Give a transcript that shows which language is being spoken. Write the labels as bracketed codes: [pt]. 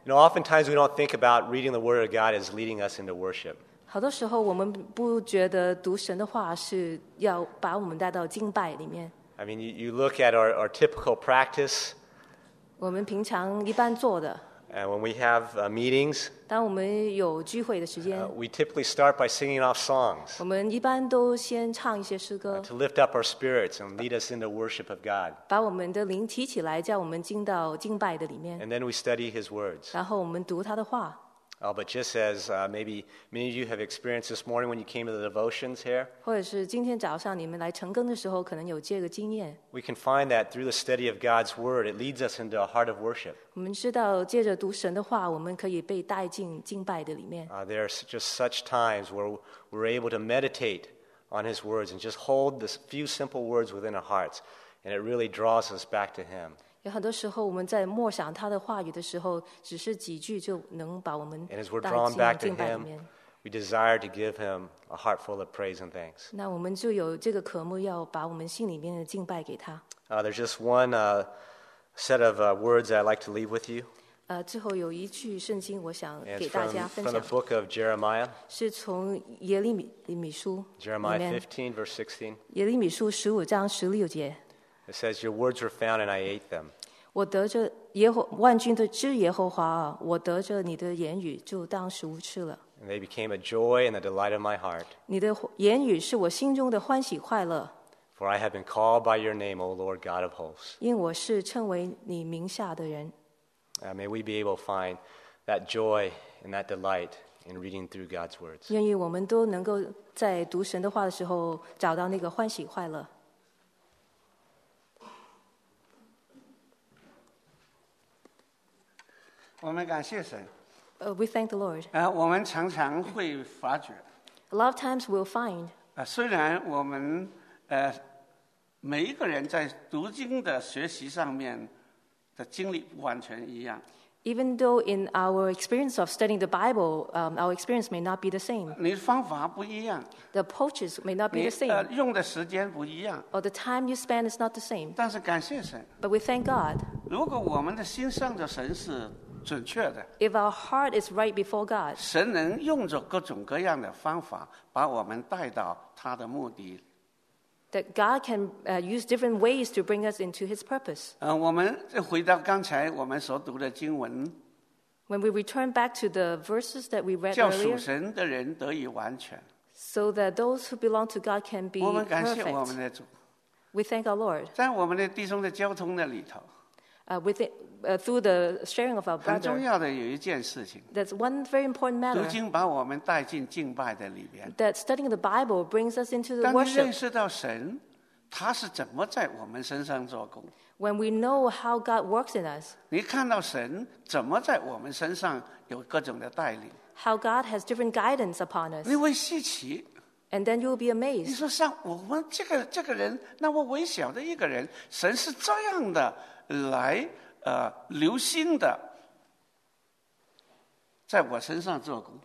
[en] You know, oftentimes we don't think about reading the Word of God as leading us into worship. [zh] 好多时候我们不觉得读神的话是要把我们带到敬拜里面。 [en] I mean, you look at our typical practice. [zh] 我们平常一般做的。 [en] And when we have meetings, [zh] 当我们有聚会的时间， [en] we typically start by singing off songs. [zh] 我们一般都先唱一些诗歌， [en] to lift up our spirits and lead us into worship of God. [zh] 把我们的灵提起来，叫我们进到敬拜的里面。 [en] And then we study His words. [zh] 然后我们读他的话。 [en] Oh, but just as maybe many of you have experienced this morning when you came to the devotions here, [zh] 或者是今天早上你们来晨更的时候，可能有这个经验。 [en] We can find that through the study of God's word, it leads us into a heart of worship. [zh] 我们知道借着读神的话，我们可以被带进敬拜的里面。 [en] There are just such times where we're able to meditate on His words and just hold this few simple words within our hearts, and it really draws us back to Him. [zh] 有很多时候我们在默想他的话语的时候，只是几句就能把我们带进敬拜里面。 [en] We desire to give him a heart full of praise and thanks. [zh] 那我们就有这个渴慕，要把我们心里面的敬拜给他。 [en] There's just one set of words I'd like to leave with you. [zh] 最后有一句圣经我想给大家分享。 [en] From the book of Jeremiah. [zh] 是从耶利米书。 [en] Jeremiah 15 verse 16. [zh] 耶利米书十五章十六节。 [en] It says, "Your words were found, and I ate them." [zh] 我得着耶和万军的之耶和华啊，我得着你的言语，就当食物吃了。 [en] And they became a joy and the delight of my heart. [zh] 你的言语是我心中的欢喜快乐。 [en] For I have been called by your name, O Lord God of hosts. [zh] 因我是称为你名下的人。 [en] May we be able to find that joy and that delight in reading through God's words. [zh] 愿意我们都能够在读神的话的时候找到那个欢喜快乐。我们感谢神。 [en] We thank the Lord. [zh] 我们常常会发觉。 [en] A lot of times we'll find. [zh] 虽然我们每一个人在读经的学习上面的经历不完全一样。 [en] Even though in our experience of studying the Bible, our experience may not be the same. [zh] 你方法不一样。 [en] The approaches may not be the same. [zh] 用的时间不一样。 [en] Or the time you spend is not the same. [zh] 但是感谢神。 [en] But we thank God. [zh] 如果我们的心上的神是准确的。 [en] If our heart is right before God, [zh] 神能用着各种各样的方法把我们带到他的目的 [en] That God can use different ways to bring us into His purpose. [zh] 我们回到刚才我们所读的经文。 [en] When we return back to the verses that we read [zh] 叫属神的人得以完全, [en] earlier, so that those who belong to God can be perfect. We thank our Lord. [zh] 在我们的弟兄的交通的里头, [en] through the sharing of our brother, [zh] 很重要的有一件事情, [en] that's one very important matter. [zh] 读经把我们带进敬拜的里边, [en] that studying the Bible brings us into the worship. [zh] 当你认识到神, 祂是怎么在我们身上做工, [en] when we know how God works in us, [zh] 你看到神怎么在我们身上有各种的带领, [en] how God has different guidance upon us, [zh] 你会稀奇, [en] and then you'll be amazed. [zh] 你说像我们这个人, 那么微小的一个人, 神是这样的来, 留心的, 在我身上做工,